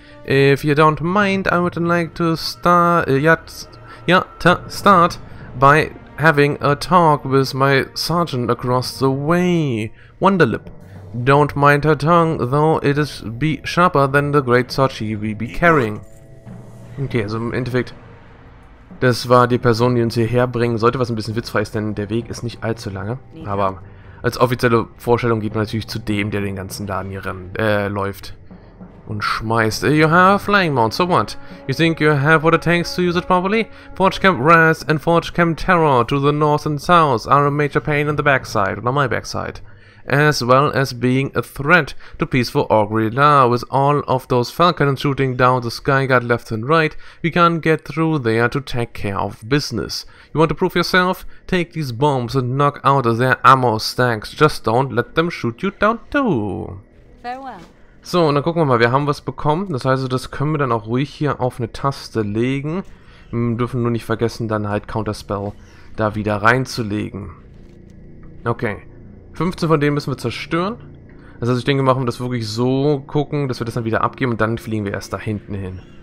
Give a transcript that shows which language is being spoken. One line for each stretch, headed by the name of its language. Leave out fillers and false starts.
English: If you don't mind, I would like to start by having a talk with my sergeant across the way, Wonderlip. Don't mind her tongue, though it is be sharper than the great sword she will be carrying.
German: Okay, also im Endeffekt, das war die Person, die uns hierher bringen sollte, was ein bisschen witzfrei ist, denn der Weg ist nicht allzu lange. Aber als offizielle Vorstellung geht man natürlich zu dem, der den ganzen Laden hier läuft. Und schmeißt.
English: You have a flying mount, so what? You think you have what it takes to use it properly? Forge Camp Rest and Forge Camp Terror to the north and south are a major pain in the backside, or my backside. As well as being a threat to peaceful Orgrilla, with all of those falcons shooting down the Skyguard left and right, we can't get through there to take care of business. You want to prove yourself? Take these bombs and knock out their ammo stacks, just don't let them shoot you down too. Farewell.
German: So, und dann gucken wir mal, wir haben was bekommen, das heißt, das können wir dann auch ruhig hier auf eine Taste legen. Wir dürfen nur nicht vergessen, dann halt Counterspell da wieder reinzulegen. Okay, 15 von denen müssen wir zerstören. Das heißt, ich denke, machen wir das wirklich so, gucken, dass wir das dann wieder abgeben und dann fliegen wir erst da hinten hin.